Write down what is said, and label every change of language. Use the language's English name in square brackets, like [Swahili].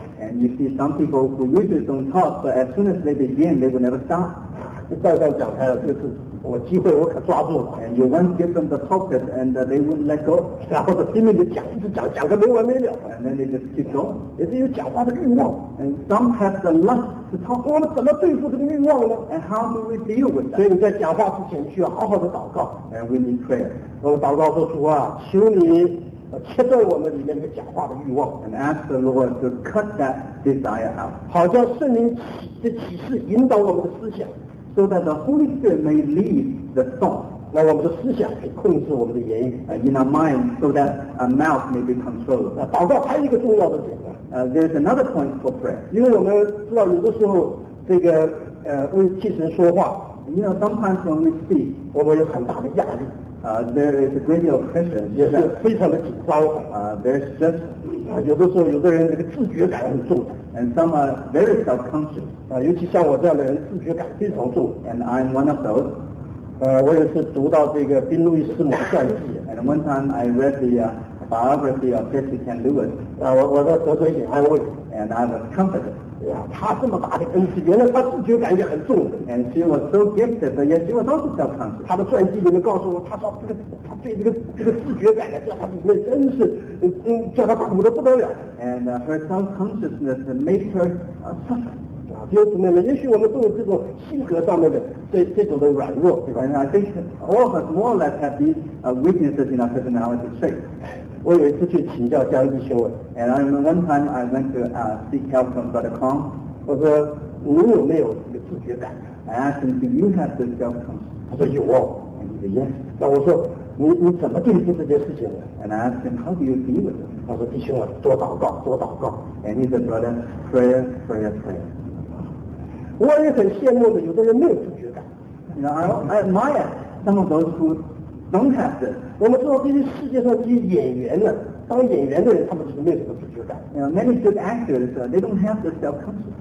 [English] And you see some people who usually don't talk, but as soon as they begin, they will never stop. [Chinese] 就站上讲台了，就是。我机会我可抓住了 [English] and you once give them the topic and they wouldn't let go [Chinese] 然后拼命地讲一直讲讲个没完没了 [English] and then they just keep going [Chinese] 也是有讲话的欲望 [English] and some have the lust to talk [Chinese] 我们怎么对付这个欲望呢 [English] and how do we deal with that [Chinese] 所以你在讲话之前需要好好的祷告 [English] and we need prayer [Chinese] 我们祷告说主啊求你切断我们里面那个讲话的欲望 [English] and ask the Lord to cut that desire out [Chinese] 好叫圣灵的启示引导我们的思想 [English] So that the Holy Spirit may lead the thought. [Chinese] 那我们的思想可以控制我们的言语 [English] In our mind, so that our mouth may be controlled. [Chinese] 那祷告还有一个重要的点呢 [English] There's another point for prayer. [Chinese] 因为我们知道有的时候这个为替神说话 [English] You know, sometimes when we speak, [Chinese] 我们有很大的压力 [English] There is a great deal of pressure. [Chinese] 也是非常的紧张 [English] There's just, [Chinese] 有的时候有的人这个自觉感很重 [English] And some are very self-conscious. [Chinese] 尤其像我这样的人自觉感非常重 [English] and I'm one of those [Chinese] 我也是读到这个宾路易斯摩传记 [English] and one time I read the biography of Jesse Ken Lewis [Chinese] 我在得罪安慰 [English] and I was comforted [Chinese] 他这么大的恩师原来他自觉感也很重 [English] and she was so gifted but yet she was also self-conscious [Chinese] 他的传记里面告诉我他说他对这个自觉感叫他里面真是叫他苦得不得了 [English] and her self-consciousness made her suffer [Chinese] 弟兄姊妹们，也许我们都有这种性格上面的这种的软弱，对吧 [English] ？And I think all of us more or less have these weaknesses in our personality traits. [Chinese] 我有一次去请教江弟兄 [English] ，And I remember one time I went to seek help from Brother Kong. [Chinese] 我说你有没有这个自觉感 [English] ？I asked him, Do you have this self-conscious? [Chinese] 他说有哦 [English] ，And he said yes. [Chinese] 那我说你怎么对付这件事情呢 [English] ？And I asked him, How do you deal with it? [Chinese] 他说弟兄啊，多祷告，多祷告。 [English] And he said, Brother, prayer, prayer, prayer. [Chinese] 我也很羡慕的，有的人没有自觉感。 [English] You know, I admire some of those who don't have this. [Chinese] 我们知道这些世界上这些演员呢，当演员的人，他们就是没有这个自觉感。 [English] You know, many good actors, they don't have this self-conscious.